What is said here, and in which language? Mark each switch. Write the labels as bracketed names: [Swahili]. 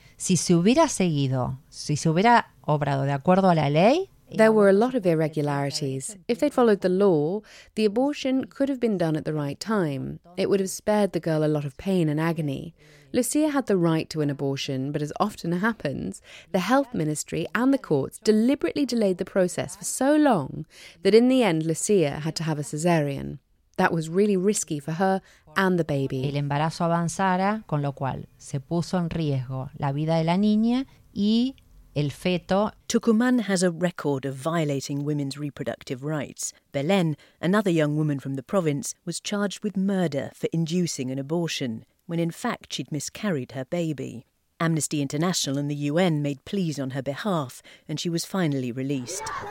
[Spanish] Si se hubiera seguido, si se hubiera obrado de acuerdo a la ley... [English] There were a lot of irregularities. If they'd followed the law, the abortion could have been done at the right time. It would have spared the girl a lot of pain and agony. Lucia had the right to an abortion, but as often happens, the health ministry and the courts deliberately delayed the process for so long that in the end, Lucia had to have a cesarean. That was really risky for her and the baby. [Spanish] El embarazo avanzara, con lo cual se puso en riesgo la vida de la niña y el feto. [English] Tucumán has a record of violating women's reproductive rights. Belén, another young woman from the province, was charged with murder for inducing an abortion, when in fact she'd miscarried her baby. Amnesty International and the UN made pleas on her behalf, and she was finally released.